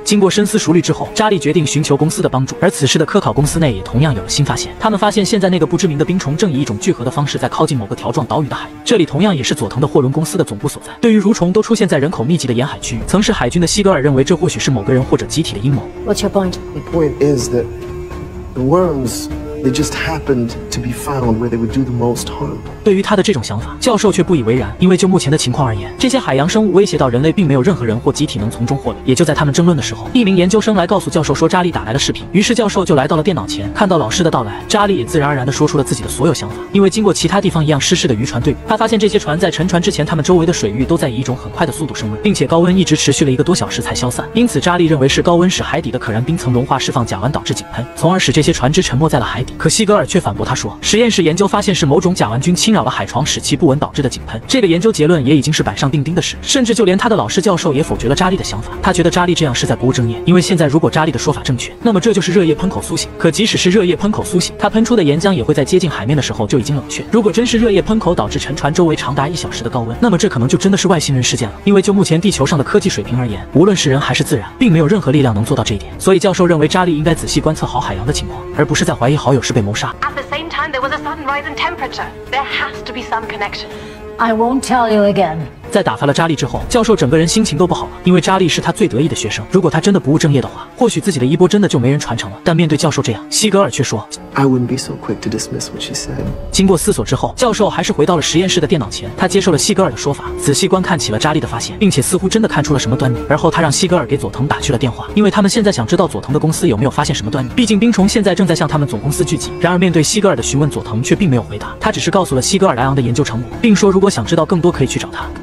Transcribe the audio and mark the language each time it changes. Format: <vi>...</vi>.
<zh>经过深思熟虑之后，扎莉决定寻求公司的帮助，而此时的科考公司内也同样有了新发现，他们发现现在那个不知名的冰虫正以一种聚合的方式在靠近某个条状岛屿的海域，这里同样也是佐藤的货轮公司的总部所在。对于蠕虫都出现在人口密集的沿海区域，曾是海军的西格尔认为这或许是某个人或者集体的阴谋。</zh> <en>What's your point? The point is that the worms. They just happened to be found where they would do the most harm.</en> <zh>对于他的这种想法，教授却不以为然，因为就目前的情况而言，这些海洋生物威胁到人类，并没有任何人或集体能从中获利。也就在他们争论的时候，一名研究生来告诉教授说扎莉打来了视频，于是教授就来到了电脑前，看到老师的到来，扎莉也自然而然地说出了自己的所有想法。因为经过其他地方一样失事的渔船队，他发现这些船在沉船之前，他们周围的水域都在以一种很快的速度升温，并且高温一直持续了一个多小时才消散。因此，扎莉认为是高温使海底的可燃冰层融化，释放甲烷导致井喷，从而使这些船只沉没在了海底。可西格尔却反驳他说，实验室研究发现是某种甲烷菌侵扰了海床使其不稳导致的井喷，这个研究结论也已经是板上钉钉的事，甚至就连他的老师教授也否决了扎莉的想法。他觉得扎莉这样是在不务正业，因为现在如果扎莉的说法正确，那么这就是热液喷口苏醒。可即使是热液喷口苏醒，他喷出的岩浆也会在接近海面的时候就已经冷却，如果真是热液喷口导致沉船周围长达一小时的高温，那么这可能就真的是外星人事件了。因为就目前地球上的科技水平而言，无论是人还是自然，并没有任何力量能做到这一点，所以教授认为扎莉应该仔细观测好海洋的情况，而不是在怀疑好友是被谋杀。</zh> <en>At the same time, there was a sudden rise in temperature. There has to be some connection. I won't tell you again.</en> <zh>在打发了扎莉之后，教授整个人心情都不好了，因为扎莉是他最得意的学生，如果他真的不务正业的话，或许自己的衣钵真的就没人传承了。但面对教授这样，西格尔却说</zh> <en>I wouldn't be so quick to dismiss what she said.</en> <zh>经过思索之后，教授还是回到了实验室的电脑前，他接受了西格尔的说法，仔细观看起了扎莉的发现，并且似乎真的看出了什么端倪。而后他让西格尔给佐藤打去了电话，因为他们现在想知道佐藤的公司有没有发现什么端倪，毕竟冰虫现在正在向他们总公司聚集。然而面对西格尔的询问，佐藤却并没有回答，他只是告诉了西格尔莱昂的研究成果，并说如果想知道更多可以去找他。</zh>